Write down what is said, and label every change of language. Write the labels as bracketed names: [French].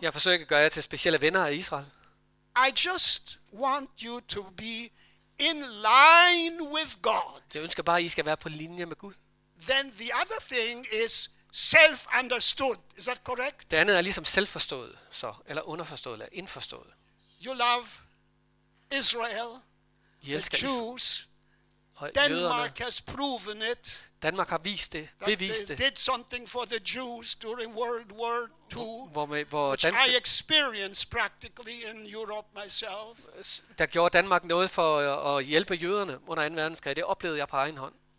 [Danish] Jeg forsøger ikke at gøre jer til specielle venner af Israel. [English] I just want you to be in line with God. [Danish] Jeg ønsker bare at I skal være på linje med Gud. [English] Then the other thing is self understood, is that correct? [Danish] Det andet er ligesom selvforstået, så eller underforstået eller indforstået. [English] You love Israel, the Jews. Denmark has proven it. [Danish] Danmark har vist det, bevist det. [English] Did something for the Jews during World War II. [Danish] Hvor danske, [English] which I experienced practically in Europe myself. [Danish] Der gjorde Danmark noget for at hjælpe jøderne under 2. verdenskrig. Det oplevede jeg på egen hånd.